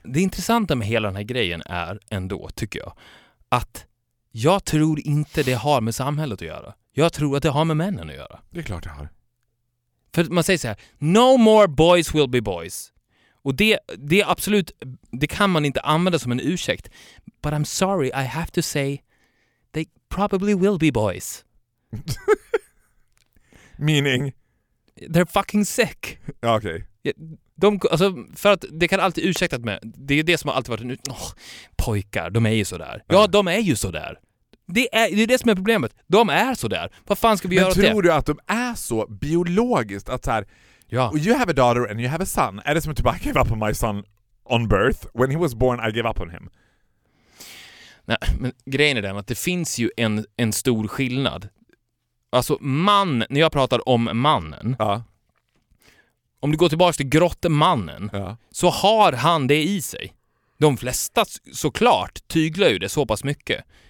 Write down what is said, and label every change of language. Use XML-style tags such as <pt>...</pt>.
<sv>Det intressanta med hela den här grejen är ändå, tycker jag, att jag tror inte det har med samhället att göra. Jag tror att det har med männen att göra. Det är klart det har. För man säger så här,</sv> <en>no more boys will be boys.</en> <sv>Och det är absolut, det kan man inte använda som en ursäkt.</sv> <en>But I'm sorry, I have to say they probably will be boys. Meaning? They're fucking sick.</en> <sv>Okej.</sv> <en>Okay.</en> <sv>Alltså, för att det kan alltid ursäktat med, det är det som har alltid varit pojkar, de är ju så där. Ja, de är ju så där. Det är det som är problemet. De är så där. Vad fan ska vi men göra åt det? Men tror du att de är så biologiskt att så här, ja.</sv> <en>You have a daughter and you have a son.</en> <sv>Är det som att</sv> <en>I gave up on my son on birth? When he was born I gave up on him.</en> <sv>Nej, men grejen är den att det finns ju en stor skillnad. Alltså man, när jag pratar om mannen. Ja. Om du går tillbaka till grottemannen, ja, så har han det i sig. De flesta såklart tyglar ju det så pass mycket.</sv>